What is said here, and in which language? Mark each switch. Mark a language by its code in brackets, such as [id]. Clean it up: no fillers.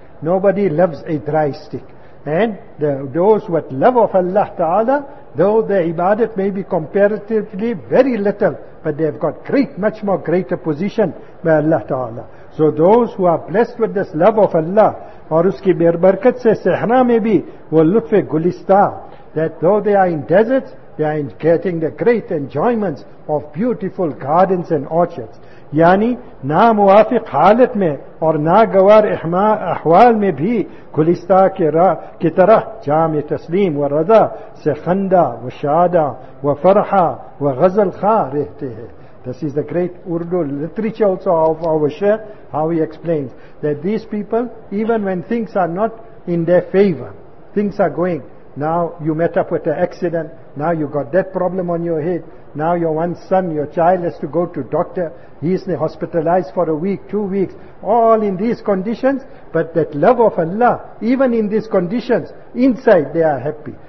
[en] Nobody loves a dry stick. And those with love of Allah Ta'ala, though their ibadat may be comparatively very little, but they have got great, much more greater position by Allah Ta'ala. So those who are blessed with this love of Allah, [ur] aur uski barkat se sahra mein bhi, wo lutfe gulista, [en] that though they are in deserts, are getting the great enjoyments of beautiful gardens and orchards. [ur] یعنی نا موافق حالت میں اور نا گوار احوال میں بھی گلستہ کی طرح جام تسلیم و رضا سے خندہ و شادہ و فرحہ و غزل خواہ رہتے ہیں. [en] This is the great Urdu literature also of our Shaykh, how he explains that these people, even when things are not in their favor, things are going, now you met up with an accident, now you got that problem on your head, now your one son, your child has to go to doctor, he is hospitalized for a week, 2 weeks, all in these conditions, but that love of Allah, even in these conditions, inside they are happy.